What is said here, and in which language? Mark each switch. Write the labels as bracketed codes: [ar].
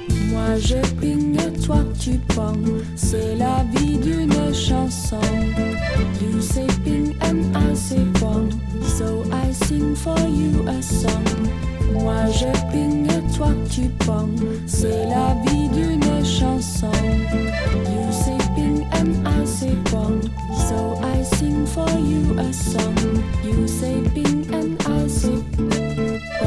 [fr] Moi je peigne, toi tu peins, c'est la vie d'une chanson. [en] You say ping and I say pong, so I sing for you a song. [fr] Moi je peigne, toi tu peins, c'est la vie d'une chanson. [en] You say ping and I say pong, so I sing for you a song. You say ping and I say pong.